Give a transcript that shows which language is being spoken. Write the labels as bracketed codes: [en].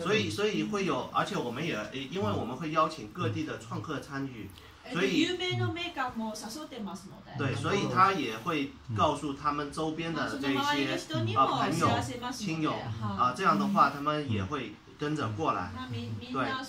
[zh] 所以会有，而且我们也因为我们会邀请各地的创客参与。所以 [ja] 有名的メーカーも誘ってますので。 [zh] 对，所以他也会告诉他们周边的这些朋友、亲友这样的话他们也会跟着过来。对。